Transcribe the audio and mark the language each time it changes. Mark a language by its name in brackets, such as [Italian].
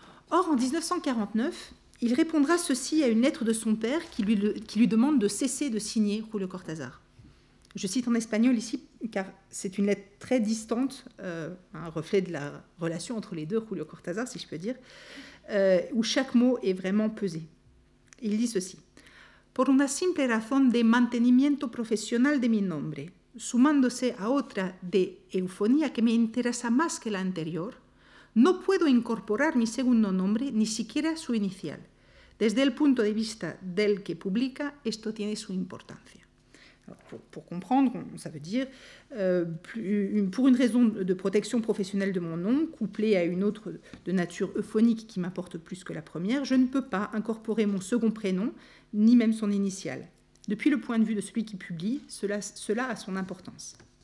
[French] Or, en 1949, il répondra ceci à une lettre de son père qui lui demande de cesser de signer Julio Cortázar. Je cite en espagnol ici, car c'est une lettre très distante, un reflet de la relation entre les deux, Julio Cortázar, si je peux dire, où chaque mot est vraiment pesé. Il dit ceci. [Spanish] « Por una simple razón de mantenimiento profesional de mi nombre, sumándose a otra de eufonía que me interesa más que la anterior, no puedo incorporar mi segundo nombre, ni siquiera su inicial. Desde el punto de vista del que publica, esto tiene su importancia. » [French] Pour comprendre, ça veut dire pour une raison de protection professionnelle de mon nom, couplée à une autre de nature euphonique qui m'importe plus que la première, je ne peux pas incorporer mon second prénom, ni même son initial. Depuis le point de vue de celui qui publie, cela a son importance.